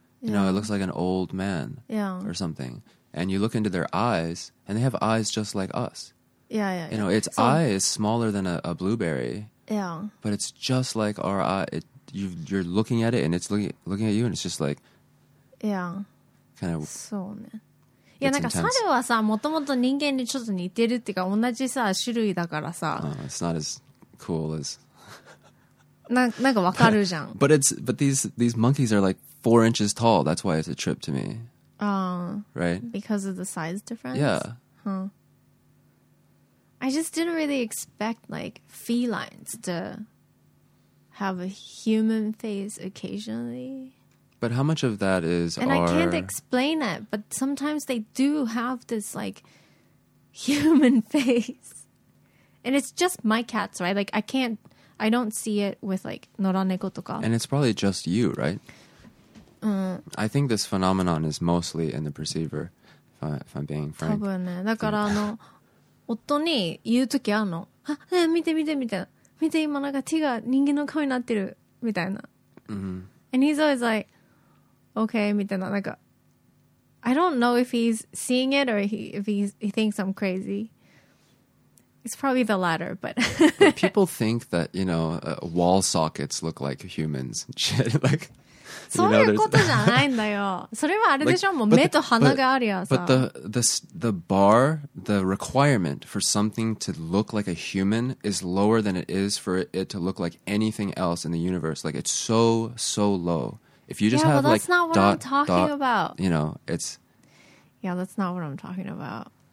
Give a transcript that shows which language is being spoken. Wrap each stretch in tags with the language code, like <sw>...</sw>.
<en>You know, it looks like an old man or something. And you look into their eyes, and they have eyes just like us. You know, its eye is smaller than a blueberry. Yeah. But it's just like our eye. You're looking at it, and it's looking at you, and it's just like... Yeah. Kind of...</en> <ja>そうね。いや、なんか猿はさ、もともと人間にちょっと似てるっていうか、同じさ、種類だからさ。</ja> <en>It's not as cool as...</en> <ja>なんかわかるじゃん。</ja> <en>But these monkeys are like... 4 inches tall. That's why it's a trip to me. Right? Because of the size difference? Yeah. I just didn't really expect, like, felines to have a human face occasionally. But how much of that is And I can't explain it, but sometimes they do have this, like, human face. And it's just my cats, right? Like, I don't see it with, like,</en> <ja>野良猫とか.</ja> <en>And it's probably just you, right? I think this phenomenon is mostly in the perceiver, if I'm being frank.</en> <ja>多分ね。だから夫に言うときあるの。あ、見て見てみたいな。見て今なんか手が人間の顔になってるみたいな。</ja> <en>And he's always like, okay,</en> <ja>みたいな。</ja> <en>なんか、I don't know if he's seeing it or if he thinks I'm crazy. It's probably the latter, but... people think that, you know, wall sockets look like humans. Like...</en> <ja>そういうことじゃないんだよ。それはあれでしょ、もう目と鼻があるやさ。</ja> <en>But the bar, the requirement for something to look like a human is lower than it is for it to look like anything else in the universe. Like, it's so, so low. If you just have like dot, dot, yeah, but that's not what I'm talking about. You know, it's... Yeah, that's not what I'm talking about.</en>